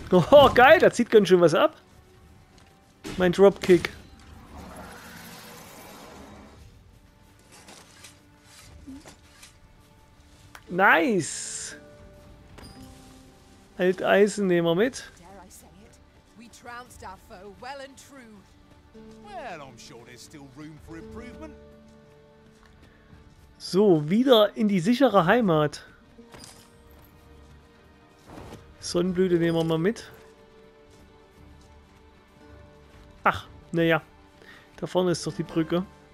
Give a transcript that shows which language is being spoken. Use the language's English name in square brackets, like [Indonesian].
[German] Oh, geil, da zieht ganz schön was ab. Mein Dropkick. [English] Nice! [German] Alteisen nehmen wir mit. [English] Dare I say it? We trounced our foe well and true. Well, I'm sure there's still room for improvement. [German] So, wieder in die sichere Heimat. Sonnenblüte nehmen wir mal mit. Ach, naja. Da vorne ist doch die Brücke.